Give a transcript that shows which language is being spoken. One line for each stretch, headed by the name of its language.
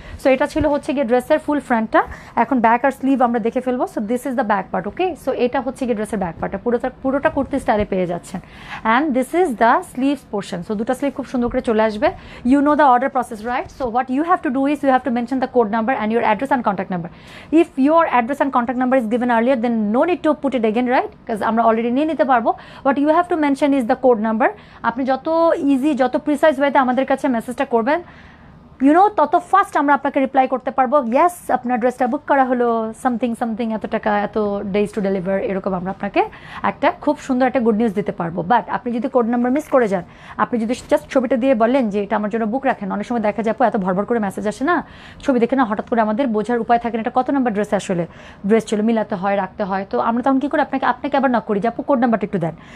Bangla: So এটা ছিল হচ্ছে গিয়ে ড্রেসের ফুল ফ্রন্টটা, এখন ব্যাক আর স্লিভ আমরা দেখে ফেলবো।
English: So this is the back part, okay?
Bangla: So এটা হচ্ছে গিয়ে ড্রেসের ব্যাক পার্টটা, পুরোটা কুর্তি স্টাইলে পেয়ে যাচ্ছেন,
English: And this is the sleeves portion.
Bangla: So দুটা স্লিভ খুব সুন্দর করে চলে আসবে,
English: You know the order process, right? So what you have to do is you have to mention the code number and your address and contact number. If your address and contact number is given earlier, then no need to put it again, right? Because
Bangla: amra already niye nite parbo.
English: What you have to mention is the code number.
Bangla: Apni joto easy joto precise way te amader kache message ta korben, you know তত first আমরা আপনাকে reply করতে পারবো, ইয়াস আপনার ড্রেসটা বুক করা হলো, something something, এত টাকা, এত ডেইজ টু ডেলিভার, এরকম আমরা আপনাকে একটা খুব সুন্দর একটা গুড নিউজ দিতে পারবো। বাট আপনি যদি কোড নাম্বার মিস করে যান, আপনি যদি জাস্ট ছবিটা দিয়ে বলেন যে এটা আমার জন্য বুক রাখেন, অনেক সময় দেখা যাবো এত ভরভর করে মেসেজ আসে না ছবি দেখে না, হঠাৎ করে আমাদের বোঝার উপায় থাকে না এটা কত নাম্বার ড্রেস আসলে ড্রেস ছিল, মিলাতে হয় রাখতে হয়, তো আমরা তখন কী করি আপনাকে আবার নক করি যে আপু কোড নাম্বারটা একটু দেন।